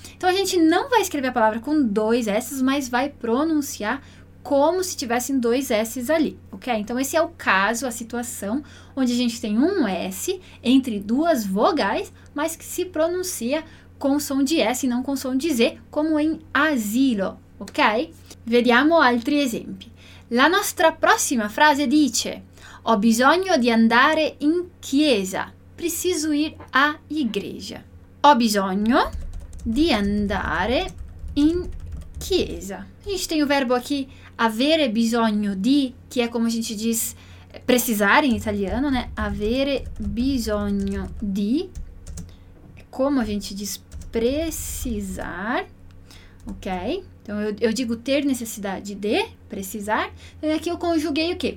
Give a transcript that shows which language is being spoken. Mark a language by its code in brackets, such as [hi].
[pt] Então, a gente não vai escrever a palavra com dois S's, mas vai pronunciar como se tivessem dois S's ali, ok? Então, esse é o caso, a situação, onde a gente tem um S entre duas vogais, mas que se pronuncia com som de S e não com som de Z, como em asilo, ok? [it] Vediamo altri esempi. La nostra prossima frase dice... Ho bisogno di andare in chiesa. [pt] Preciso ir à igreja. [it] Ho bisogno di andare in chiesa. [pt] A gente tem o verbo aqui, [it] avere bisogno di, [pt] que é como a gente diz precisar em italiano, né? [it] Avere bisogno di, [pt] como a gente diz precisar, ok? Então, eu digo ter necessidade de, precisar. E aqui eu conjuguei o quê?